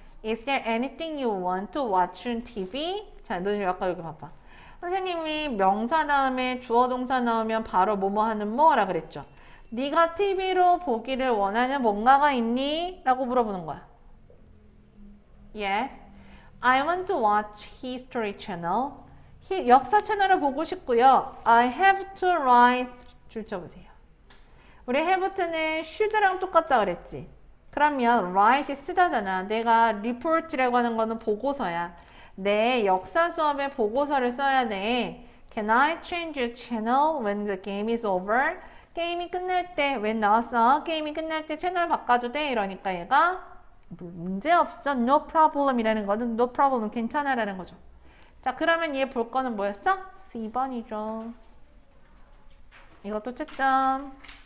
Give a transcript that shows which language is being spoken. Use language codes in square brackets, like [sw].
[en] Is there anything you want to watch on TV? [ko] 자, 눈을 아까 여기 봐봐. 선생님이 명사 다음에 주어 동사 나오면 바로 뭐뭐 하는 뭐라 그랬죠? 네가 TV로 보기를 원하는 뭔가가 있니? 라고 물어보는 거야. [en] Yes. I want to watch History Channel. [ko] 역사 채널을 보고 싶고요. [en] I have to write. [ko] 줄 쳐보세요. [en] 우리 have to는 should랑 [ko] 똑같다 그랬지. 그러면 write이 쓰다잖아. 내가 report라고 하는 거는 보고서야. 내 역사 수업에 보고서를 써야 돼. [en] Can I change your channel when the game is over? [ko] 게임이 끝날 때, when 나왔어? 게임이 끝날 때 채널 바꿔줘도 돼? 이러니까 얘가 문제 없어. No problem 이라는 거는 no problem, 괜찮아 라는 거죠. 자, 그러면 얘 볼 거는 뭐였어? C번이죠. 이것도 채점.